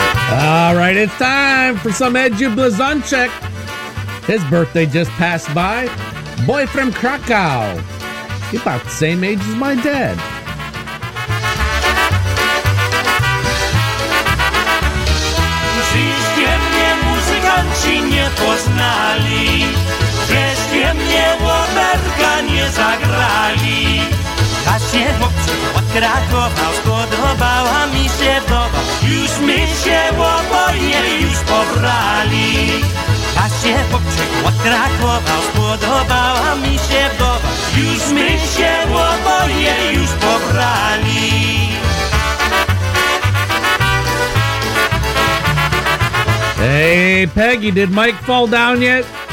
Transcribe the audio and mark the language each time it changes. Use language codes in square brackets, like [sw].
[en] Alright, it's time for some Edu Blazonczyk. His birthday just passed by. Boy from Krakow. He's about the same age as my dad. [pl] Żyście mnie, muzykanci, nie poznali. Żeście mnie, łoberka, nie zagrali. Właśnie chłopcy od Krakowa spodobała mi się woda. Już my się łoboje już pobrali. Właśnie chłopcy od Krakowa spodobała mi się woda. Już my się łoboje już pobrali. [en] Hey Peggy, did Mike fall down yet?